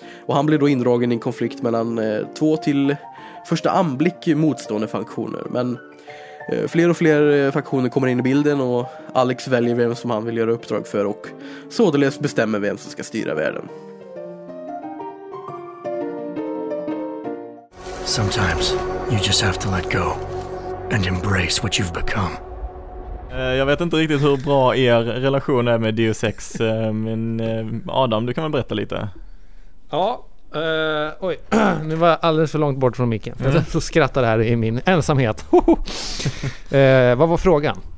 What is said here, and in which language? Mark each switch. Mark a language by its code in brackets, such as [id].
[sv] Och han blir då indragen i en konflikt mellan två till första anblick motstående funktioner. Men fler och fler faktioner kommer in i bilden och Alex väljer vem som han vill göra uppdrag för och således bestämmer vem som ska styra världen. [en] Sometimes you just have to let go and embrace what you've become. [sv] Jag vet inte riktigt hur bra er relation är med Deus Ex, men Adam, du kan väl berätta lite? Ja. Oj, nu var jag alldeles för långt bort från micken. Mm. Så skrattar det här i min ensamhet. Vad var frågan?